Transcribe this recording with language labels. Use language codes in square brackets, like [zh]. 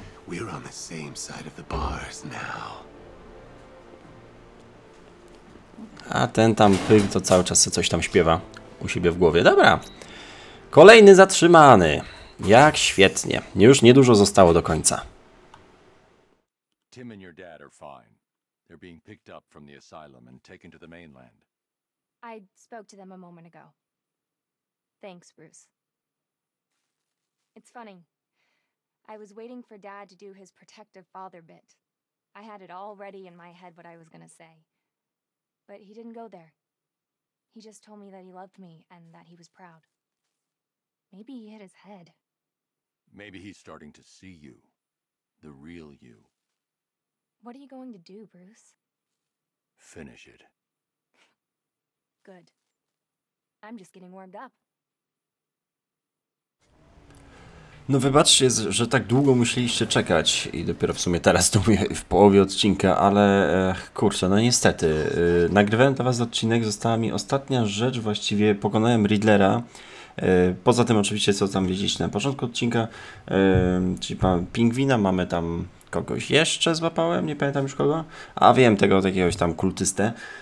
[en] We're on the same side of the bars now. [pl] A ten tam pyk to cały czas coś tam śpiewa u siebie w głowie. Dobra. Kolejny zatrzymany. Jak świetnie. Już niedużo zostało do końca. [en] Tim and your dad are fine. They're being picked up from the asylum and taken to the mainland. I spoke to them a moment ago. Thanks, Bruce. It's funny. I was waiting for dad to do his protective father bit. I had it already in my head what I was gonna say. But he didn't go there. He just told me that he loved me and that he was proud. Maybe he hit his head. Maybe he's starting to see you. The real you. What are you going to do, Bruce? Finish it. Good. I'm just getting warmed up. [pl] No wybaczcie, że tak długo musieliście czekać i dopiero w sumie teraz to mówię w połowie odcinka, ale kurczę, no niestety, nagrywałem dla was odcinek, została mi ostatnia rzecz, właściwie pokonałem Riddlera, poza tym oczywiście co tam wiedzieliście na początku odcinka, czyli pan Pingwina, mamy tam kogoś jeszcze złapałem, nie pamiętam już kogo, a wiem tego jakiegoś tam kultystę.